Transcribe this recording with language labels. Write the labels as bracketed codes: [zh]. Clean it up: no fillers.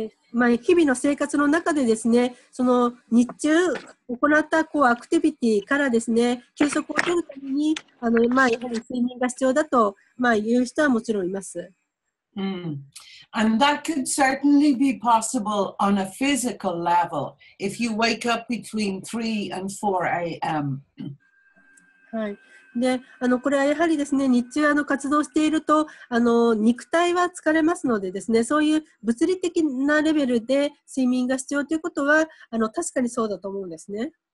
[ja] まあ、日々の生活の中でですね、その日中行ったこうアクティビティからですね、休息を取るためにまあ、やはり睡眠が必要だと、まあ、言う人はもちろんいます。 [en] And that could certainly be possible on a physical level if you wake up between 3 and 4 a.m. [ja] はい。で、これはやはりですね、日中活動していると肉体は疲れますのでですね、そういう物理的なレベルで睡眠が必要ということは確かにそうだと思うんですね。